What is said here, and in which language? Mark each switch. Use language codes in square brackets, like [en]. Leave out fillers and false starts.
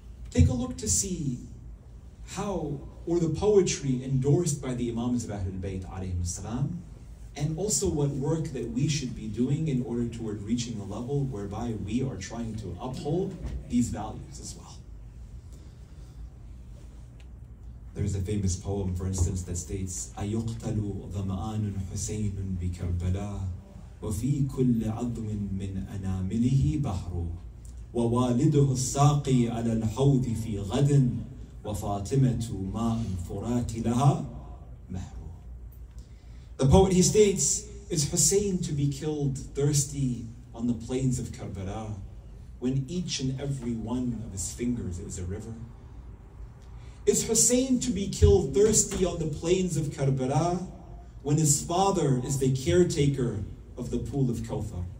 [en] Take a look to see how were the poetry endorsed by the Imams of Ahlul Bayt alayhim as-salam, and also what work that we should be doing in order toward reaching a level whereby we are trying to uphold these values as well. There's a famous poem, for instance, that states, [ar] أَيُقْتَلُوا ظَمْآنٌ حُسَيْنٌ بِكَرْبَلَىٰ وَفِي كُلِّ عَظْمٍ مِّنْ أَنَامِلِهِ بَحْرُ وَوَالِدُهُ السَّاقِي عَلَى الْحَوْضِ فِي غَدٍ وَفَاطِمَةُ مَاءٍ فُرَاتِ لَهَا مَحْرُ. [en] The poet, he states, is Hussein to be killed thirsty on the plains of Karbala when each and every one of his fingers is a river? Is Hussein to be killed thirsty on the plains of Karbala when his father is the caretaker of the pool of Kawthar?